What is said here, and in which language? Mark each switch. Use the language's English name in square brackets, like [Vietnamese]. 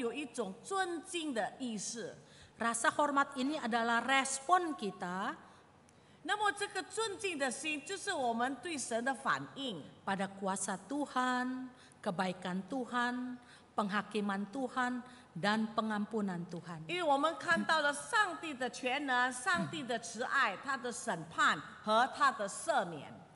[Chinese] 那么敬畏神的意思里面拥有一种尊敬的意思。 [Indonesian] Rasa hormat ini adalah respon kita. [Chinese] 那么这个尊敬的心就是我们对神的反应。 [Indonesian] Pada kuasa Tuhan, kebaikan Tuhan, penghakiman Tuhan, dan pengampunan Tuhan. [Chinese] 因为我们看到了上帝的全能, 上帝的慈爱, 祂的审判, 和祂的赦免。